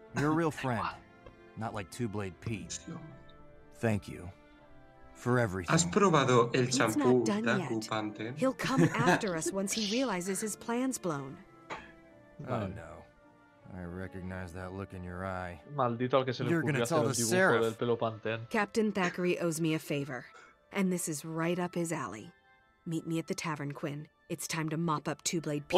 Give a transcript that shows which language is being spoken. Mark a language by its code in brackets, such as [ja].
[en] You're a real friend, not like Two Blade Pete. Thank you for everything. [es] ¿Has probado el champú de ocupante? [en] He'll come after us once he realizes his plan's blown. Oh no, I recognize that look in your eye. [es] Maldito al que se le ocurrió hacer el dibujo del pelo pantén. [en] Captain Thackeray owes me a favor, and this is right up his alley. Meet me at the tavern, Quinn. It's time to mop up Two Blade Pete.